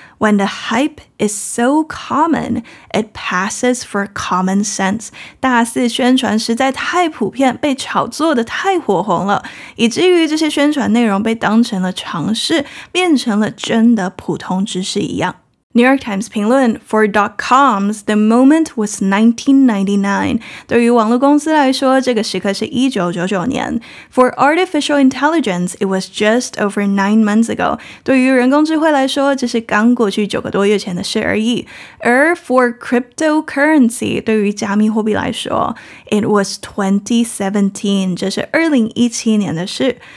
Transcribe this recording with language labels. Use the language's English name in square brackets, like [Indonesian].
[English] When the hype is so common, it passes for common sense. [Chinese] 大肆宣传实在太普遍，被炒作的太火红了，以至于这些宣传内容被当成了常识，变成了真的普通知识一样。 [English] New York Times [Chinese] 评论 [English] For dot-coms, the moment was 1999. [Chinese] 对于网络公司来说，这个时刻是1999年。 [English] For artificial intelligence, it was just over 9 months ago. [Chinese] 对于人工智慧来说，这是刚过去九个多月前的事而已。而 [English] for cryptocurrency, [Chinese] 对于加密货币来说， [English] it was 2017, [Chinese] 这是2017年的事。